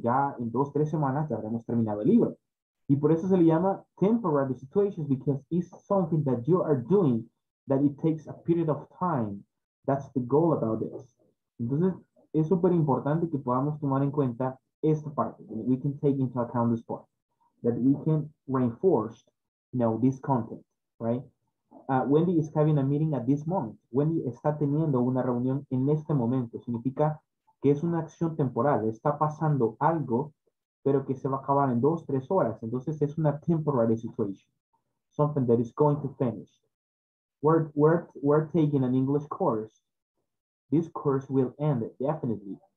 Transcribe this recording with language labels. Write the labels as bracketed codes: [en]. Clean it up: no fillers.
[es] Ya en 2-3 semanas ya habremos terminado el libro. Y por eso se le llama [en] temporary situations, because it's something that you are doing that it takes a period of time. That's the goal about this. [es] Entonces, es súper importante que podamos tomar en cuenta esta parte. [en] That we can take into account this part. That we can reinforce, you know, this content, right? Wendy is having a meeting at this moment. [es] Wendy está teniendo una reunión en este momento. Significa que es una acción temporal. Está pasando algo, pero que se va a acabar en 2-3 horas. Entonces, es una [en] temporary situation. Something that is going to finish. We're taking an English course. This course will end, definitely.